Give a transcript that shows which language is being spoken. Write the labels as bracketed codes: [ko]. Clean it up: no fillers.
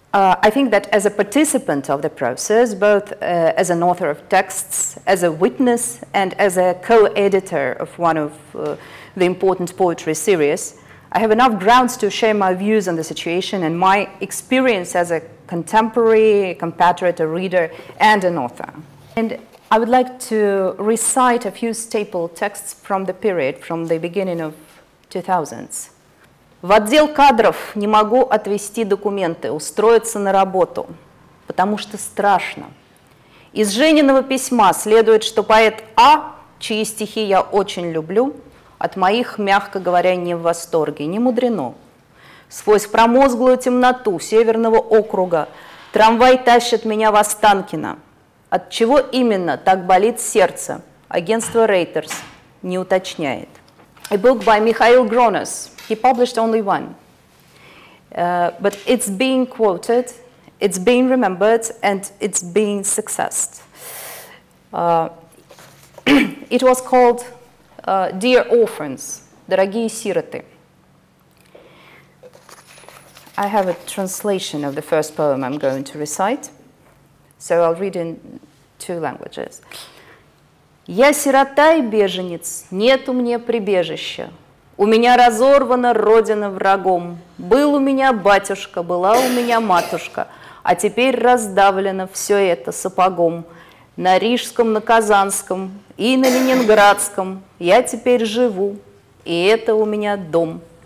[en] I think that as a participant of the process, both as an author of texts, as a witness, and as a co-editor of one of the important poetry series, I have enough grounds to share my views on the situation and my experience as a contemporary, compatriot, a reader, and an author. And I would like to recite a few staple texts from the period, from the beginning of 2000s. [ru] В отдел кадров не могу отвести документы, устроиться на работу, потому что страшно. Из Жениного письма следует, что поэт А, чьи стихи я очень люблю, от моих, мягко говоря, не в восторге, не мудрено. Сквозь промозглую темноту Северного округа трамвай тащит меня в Останкино. От чего именно так болит сердце, агентство Reuters не уточняет. [en] A book by Mikhail Gronos. He published only one, but it's being quoted, it's being remembered, and it's being successed. it was called Dear Orphans, [ru] Дорогие сироты. [en] I have a translation of the first poem I'm going to recite, so I'll read in two languages. [ru] Я сирота и беженец, нету мне прибежища. У меня разорвана родина врагом. Был у меня батюшка, была у меня матушка, а теперь раздавлено все это сапогом. На Рижском, на Казанском и на Ленинградском я теперь живу, и это у меня дом.